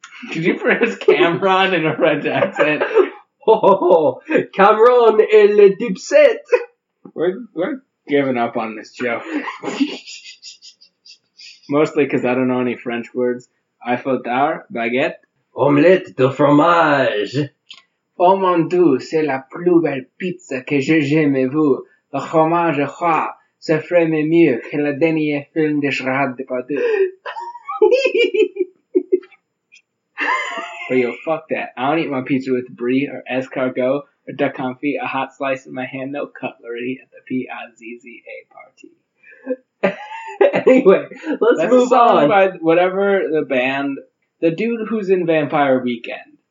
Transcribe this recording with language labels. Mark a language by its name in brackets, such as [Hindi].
[English] Could you pronounce Cameron in a French accent? [French] Oh, Cameron et le dipset. [English] We're giving up on this joke. Mostly because I don't know any French words. Eiffel Tower, baguette. [French] Omelette de fromage. Oh mon dieu, c'est la plus belle pizza que j'ai jamais vue. Le fromage roi, ce ferait mieux que le dernier film de Gérard Depardieu. [English] But yo, fuck that. I don't eat my pizza with brie or escargot or duck confit, a hot slice in my hand, no cutlery at the PIZZA party. Anyway, let's move on. By whatever the band, the dude who's in Vampire Weekend.